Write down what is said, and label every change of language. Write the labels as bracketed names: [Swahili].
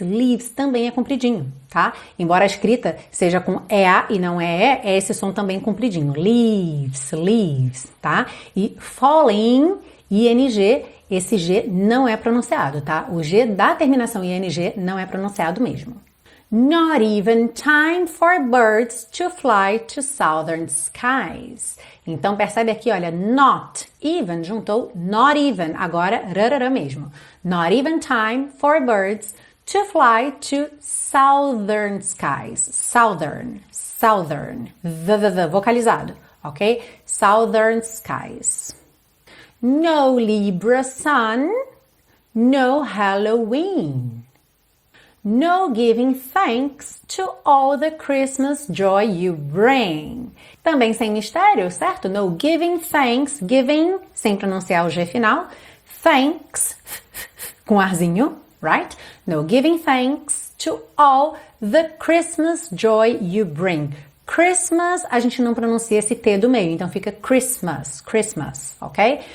[Portuguese] Leaves também é compridinho, tá? Embora a escrita seja com EA e não EE, é esse som também compridinho. Leaves, leaves, tá? E falling, ING, esse G não é pronunciado, tá? O G da terminação ING não é pronunciado mesmo. [English] Not even time for birds to fly to southern skies. [Portuguese] Então percebe aqui, olha, not even, juntou not even, agora rarara mesmo. [English] Not even time for birds to fly to southern skies. [Portuguese] Southern, southern, v-v-v, vocalizado, ok? [English] Southern skies. No Libra sun, no Halloween. No giving thanks to all the Christmas joy you bring. [Portuguese] Também sem mistério, certo? [English] No giving thanks, [Portuguese] giving, sem pronunciar o G final. [English] Thanks, [Portuguese] com arzinho, [English] right? No giving thanks to all the Christmas joy you bring. [Portuguese] Christmas, a gente não pronuncia esse T do meio, então fica Christmas, Christmas, ok?